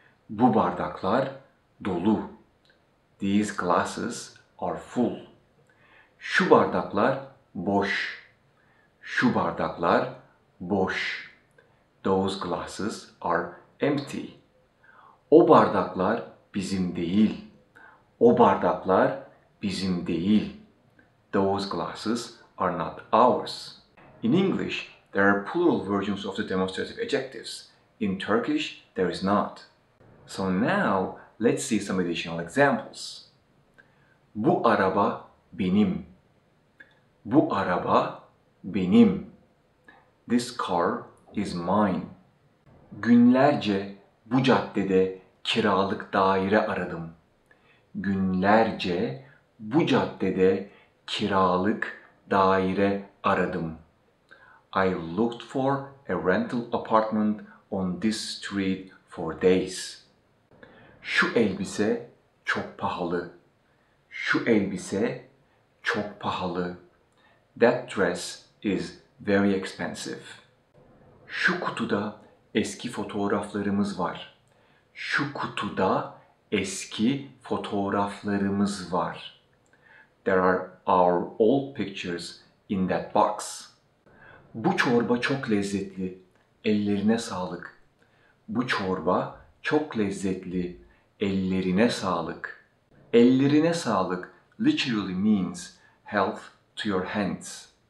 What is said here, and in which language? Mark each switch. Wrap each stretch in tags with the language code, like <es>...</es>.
<tr>Bu bardaklar dolu.</tr> <en>These glasses are full.</en> <tr>Şu bardaklar boş. Şu bardaklar boş.</tr> <en>Those glasses are empty.</en> <tr>O bardaklar bizim değil. O bardaklar bizim değil.</tr> <en>Those glasses are not ours. In English, there are plural versions of the demonstrative adjectives. In Turkish, there is not. So now, let's see some additional examples.</en> <tr>Bu araba benim. Bu araba benim.</tr> <en>This car is mine.</en> <tr>Günlerce bu caddede kiralık daire aradım. Günlerce bu caddede kiralık daire aradım.</tr> <en>I looked for a rental apartment on this street for days.</en> <tr>Şu elbise çok pahalı. Şu elbise çok pahalı.</tr> <en>That dress is very expensive.</en> <tr>Şu kutuda eski fotoğraflarımız var. Şu kutuda eski fotoğraflarımız var.</tr> <en>There are our old pictures in that box.</en> <tr>Bu çorba çok lezzetli. Ellerine sağlık. Bu çorba çok lezzetli. Ellerine sağlık. Ellerine sağlık</tr> <en>literally means health to your hands.</en>